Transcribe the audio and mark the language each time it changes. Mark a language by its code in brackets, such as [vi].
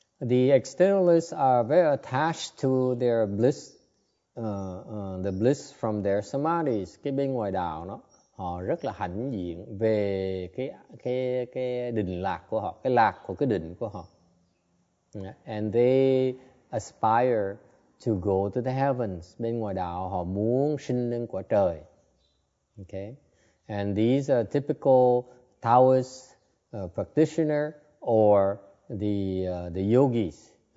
[en] The externalists are very attached to their bliss, the bliss from their samadhis. [vi] Cái bên ngoài đạo nó, họ rất là hãnh diện về cái định lạc của họ, cái lạc của cái định của họ. [en] And they aspire to go to the heavens. [vi] Bên ngoài đạo họ muốn sinh lên quả trời. [en] Okay. And these are typical Taoist practitioner or the yogis.